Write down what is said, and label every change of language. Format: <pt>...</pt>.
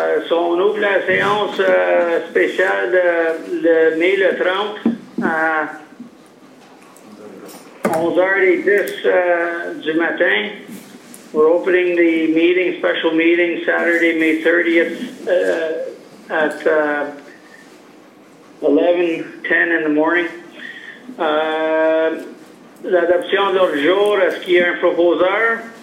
<fr>On ouvre la séance spéciale de mai le 30 à 11h10 du matin.</fr> <en>We're opening the meeting, special meeting, Saturday, May 30th at 11:10 in the morning.</en> <fr>L'adoption de l'ordre du jour, est-ce qu'il y a un proposeur?</fr>